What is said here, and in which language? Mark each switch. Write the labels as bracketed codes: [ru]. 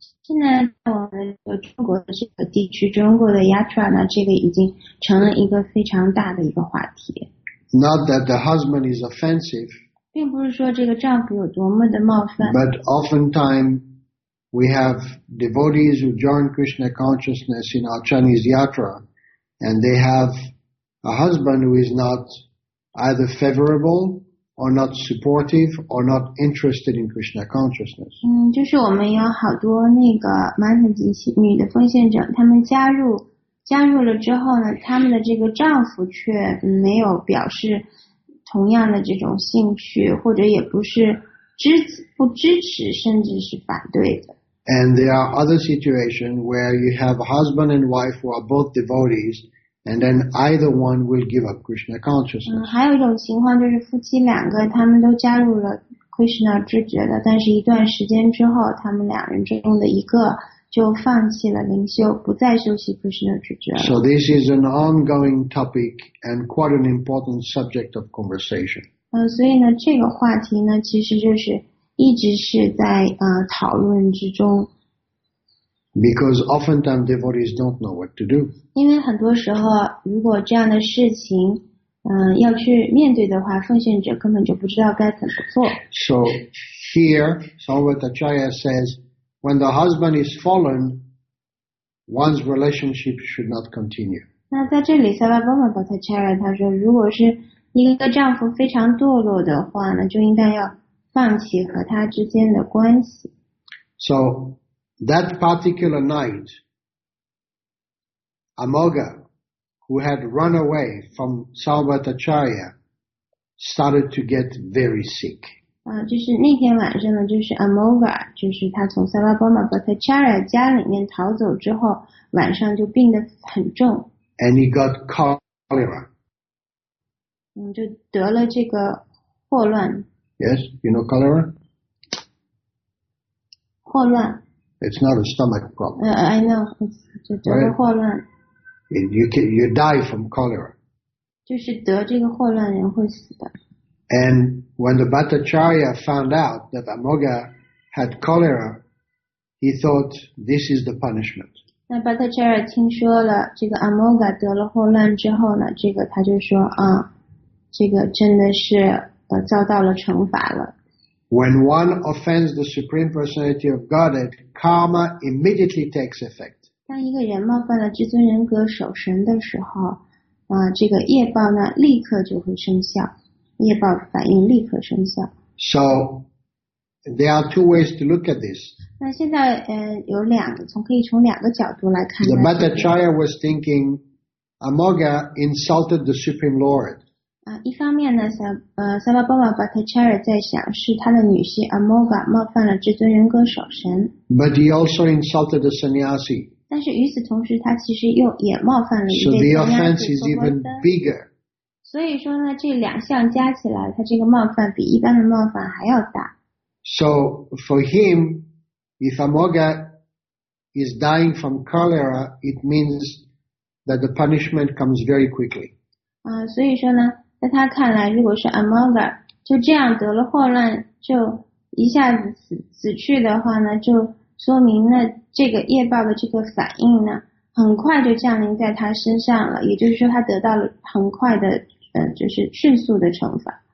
[zh] 现在在我们中国的这个地区，中国的 yatra 呢，这个已经成了一个非常大的一个话题。 [en] Not that the husband is offensive. [zh] 并不是说这个丈夫有多么的冒犯。 [en] But oftentimes we have devotees who join Krishna consciousness in our Chinese yatra, and they have a husband who is not either favorable or not supportive or not interested in Krishna consciousness. [zh] 就是我们有好多那个曼特吉女的奉献者，他们加入了之后呢，他们的这个丈夫却没有表示。同样的这种兴趣或者也不是不支持甚至是反对的。 [en] And there are other situations where you have a husband and wife who are both devotees, and then either one will give up Krishna consciousness. [zh] 还有一种情况就是夫妻两个他们都加入了 Krishna 知觉的，但是一段时间之后他们两人之中的一个就放弃了灵修，不再修习布施的职责。 [en] So this is an ongoing topic and quite an important subject of conversation. [zh] 所以呢，这个话题呢，其实就是一直是在讨论之中。 [en] Because oftentimes devotees don't know what to do. [zh] 因为很多时候，如果这样的事情，要去面对的话，奉献者根本就不知道该怎么做。 [en] So here, Salvatacharya says. When the husband is fallen, one's relationship should not continue. [zh] 那在这里，萨巴波玛巴塔恰拉他说，如果是一个丈夫非常堕落的话呢，就应该要放弃和他之间的关系。 [en] So that particular night, Amoga, who had run away from Salvatacharya, started to get very sick. [zh] 就是那天晚上呢，就是 Amoga， 就是他从 Savabhama Bhattacharya 家里面逃走之后，晚上就病得很重。 [en] And he got cholera. [zh] 就得了这个霍乱。 [en] Yes, you know cholera? [zh] 霍乱。 [en] It's not a stomach problem. I know, [zh] 就得了霍乱。 [en] Right? You die from cholera. [zh] 就是得这个霍乱人会死的。 [en] And when the Bhattacharya found out that Amoga had cholera, he thought this is the punishment. [zh] 那 Bhattacharya 听说了这个 Amoga 得了霍乱之后呢，这个他就说啊，这个真的是遭到了惩罚了。 [en] When one offends the Supreme Personality of Godhead, karma immediately takes effect. [zh] 当一个人冒犯了至尊人格守神的时候，这个业报呢立刻就会生效。业报反应立刻生效。 [en] So there are two ways to look at this. [zh] 那现在有两个可以从两个角度来看。 [en] The Bhattacharya was thinking Amoga insulted the Supreme Lord. [zh] 一方面呢，Sarvabhauma Bhattacharya 在想是他的女婿 Amoga 冒犯了至尊人格守神。 [en] But he also insulted the sannyasi. [zh] 但是与此同时，他其实又也冒犯了一位 [en] sannyasi。 So the offense is even bigger. [zh] 所以说呢，这两项加起来，他这个冒犯比一般的冒犯还要大。 [en] So for him, if Amoga is dying from cholera, it means that the punishment comes very quickly. [zh] 所以说呢，在他看来，如果是 Amoga 就这样得了霍乱，就一下子死去的话呢，就说明那这个业报的这个反应呢，很快就降临在他身上了，也就是说他得到了很快的，就是迅速的惩罚。